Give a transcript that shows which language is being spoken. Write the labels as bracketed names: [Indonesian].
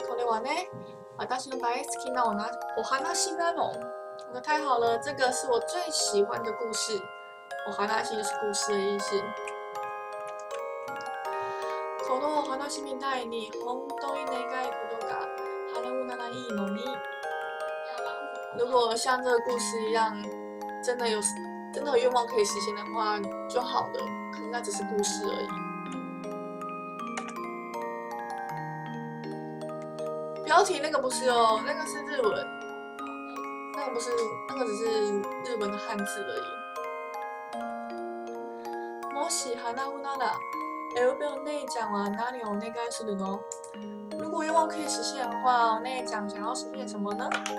[Japanese] これはね、私の大好きなお話なの。 [Chinese] 那太好了，这个是我最喜欢的故事。お話就是故事的意思。 [Japanese] そのお話みたいに本当に願いことが叶うならいいのに。 [Chinese] 如果像这个故事一样，真的有愿望可以实现的话就好了。可是那只是故事而已。标题那个不是哦，那个是日文。那不是，那个只是日文的汉字而已。 [Japanese] もし叶うなら、エルベお姉ちゃんは何をお願いするの？ [Chinese] 如果愿望可以实现的话，お姉ちゃん想要实现什么呢？